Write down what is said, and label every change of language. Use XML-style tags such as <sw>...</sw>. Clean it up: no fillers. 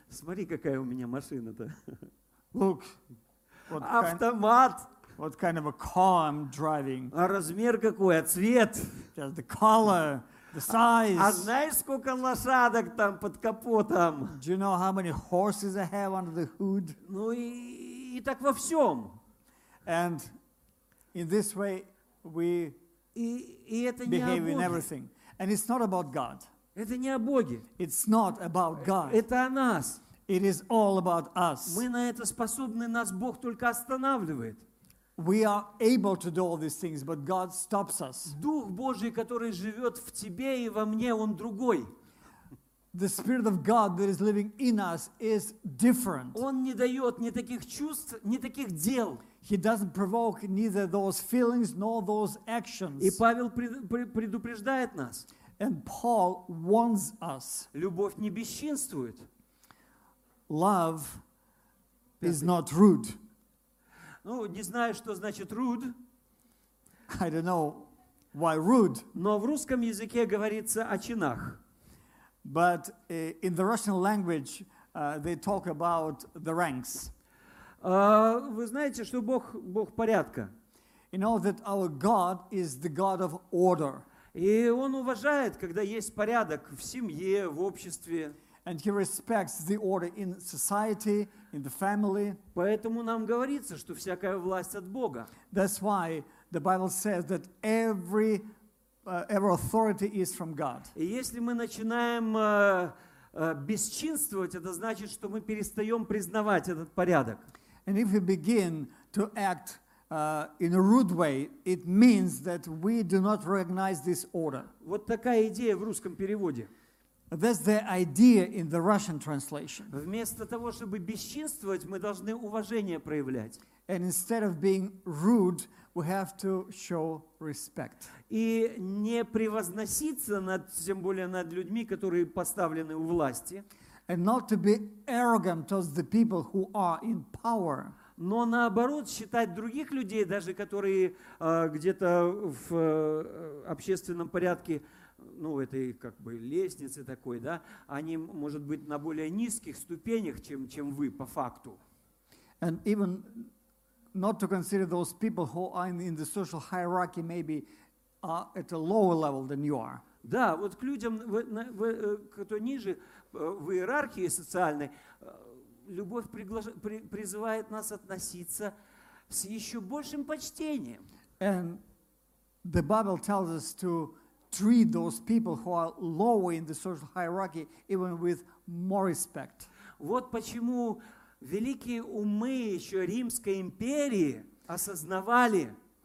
<ru>Смотри, какая у меня машина-то.</ru> <en>Look. What автомат. What kind of a car I'm driving?</en> <ru>А размер какой, а цвет?</ru> <en>Just the color, the size.</en> <ru>А знаешь, сколько лошадок там под капотом?</ru> <en>Do you know how many horses I have under the hood?</en> <ru>Ну и так во всем.</ru> <en>And in this way we behave in everything. And it's not about God.</en> <ru>Это не о Боге.</ru> <en>It's not about God.</en> <ru>Это о нас.</ru> <en>It is all about us.</en> <ru>Мы на это способны, нас Бог только останавливает.</ru> <en>We are able to do all these things, but God stops us.</en> <ru>Дух Божий, который живет в тебе и во мне, он другой.</ru> <en>The Spirit of God that is living in us is different.</en> <ru>Он не дает ни таких чувств, ни таких дел.</ru> <en>He doesn't provoke neither those feelings nor those actions.</en> <ru>И Павел предупреждает нас.</ru> <en>And Paul warns us.</en> <ru>Любовь не бесчинствует.</ru> <en>Love is not rude.</en> <ru>Ну, не знаю, что значит rude.</ru> <en>I don't know why rude.</en> <ru>Но в русском языке говорится о чинах.</ru> <en>But in the Russian language, they talk about the ranks.</en> <ru>Вы знаете, что Бог порядка.</ru> <en>You know that our God is the God of order.</en> <ru>И он уважает, когда есть порядок в семье, в обществе.</ru> <en>And he respects the order in society, in the family.</en> <ru>Поэтому нам говорится, что всякая власть от Бога.</ru> <en>That's why the Bible says that every authority is from God.</en> <ru>И если мы начинаем бесчинствовать, это значит, что мы перестаем признавать этот порядок.</ru> <en>And if we begin to act in a rude way, it means that we do not recognize this order.</en> <ru>Вот такая идея в русском переводе.</ru> <en>That's the idea in the Russian translation.</en> <ru>Вместо того, чтобы бесчинствовать, мы должны уважение проявлять.</ru> <en>And instead of being rude, we have to show respect.</en> <ru>И не превозноситься над, тем более над людьми, которые поставлены у власти.</ru> <en>And not to be arrogant towards the people who are in power.</en> <ru>Но наоборот, считать других людей, даже которые где-то в общественном порядке, ну, этой как бы лестнице такой, да, они, может быть, на более низких ступенях, чем вы, по факту.</ru> <en>And even not to consider those people who are in the social hierarchy maybe at a lower level than you are.</en> <ru>Да, вот к людям, кто ниже в иерархии социальной, любовь призывает нас относиться с еще большим почтением.</ru> <en>And the Bible tells us to treat those people who are lower in the social hierarchy even with more respect.</en> <ru>Вот почему великие умы еще Римской империи осознавали.</ru>